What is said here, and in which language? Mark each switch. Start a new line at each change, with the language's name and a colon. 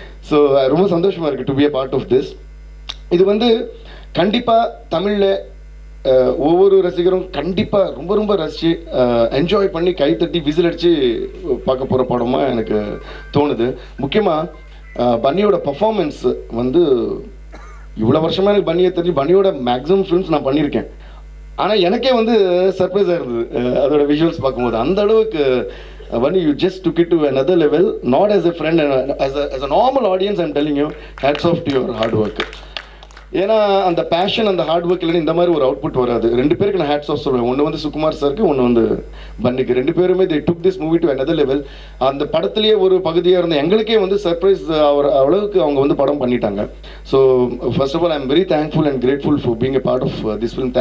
Tamil: So ரொம்ப சந்தோஷமாக இருக்குது to be a part of this. இது வந்து கண்டிப்பாக தமிழில் ஒவ்வொரு ரசிகரும் கண்டிப்பாக ரொம்ப ரொம்ப ரசித்து என்ஜாய் பண்ணி கைத்தட்டி விசில் அடித்து பார்க்க போகிற படமாக எனக்கு தோணுது. முக்கியமாக பன்னியோட பர்ஃபார்மன்ஸ் வந்து இவ்வளோ வருஷமாக எனக்கு பன்னியை தெரிஞ்சு பன்னியோட மேக்ஸிமம் ஃபிலிம்ஸ் நான் பண்ணியிருக்கேன், ஆனால் எனக்கே வந்து சர்ப்ரைஸாக இருந்தது அதோட விஷுவல்ஸ் பார்க்கும்போது.
English: அந்த அளவுக்கு Bunny, you just took it to another level, not as a friend, as a normal audience, I'm telling you, hats off to your hard work.
Tamil: ஏன்னா அந்த பேஷன் அந்த ஹார்ட் ஒர்க் இல்லைன்னு இந்த மாதிரி ஒரு அவுட்புட் வராது. ரெண்டு பேருக்கு நான் ஹேட்ஸ் ஆஃப் சொல்லுவேன், ஒன்று வந்து சுகுமார் சாருக்கு, ஒன்று வந்து பன்னிக்கு. ரெண்டு பேருமே தே டுக் this movie to another level. அந்த படத்துலேயே ஒரு பகுதியாக இருந்த எங்களுக்கே வந்து சர்ப்ரைஸ் அவர் அளவுக்கு அவங்க வந்து படம் பண்ணிட்டாங்க.
English: So first of all I am very thankful and grateful for being a part of this film.